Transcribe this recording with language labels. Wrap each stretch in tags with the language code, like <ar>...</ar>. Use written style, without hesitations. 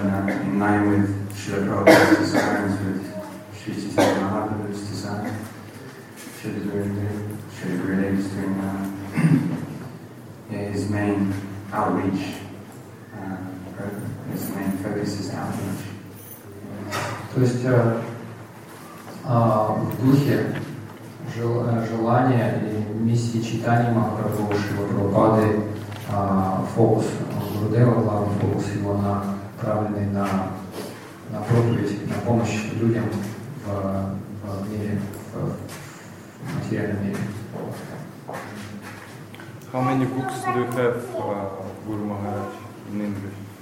<en>In line with Srila Prabhupada's designs, with Sri Chaitanya Mahaprabhu's design, Srila Gurudev is doing his main outreach program. His main focus is outreach.</en> <ru>То есть в духе желания и миссии Чайтаньи Махапрабху, Шрила Прабхупады, фокус Гурудева, главный фокус его направленный на проповедь, на помощь людям в мире, в материальном мире.</ru> <en>How many books do you have, Guru Maharaj, in English?</en>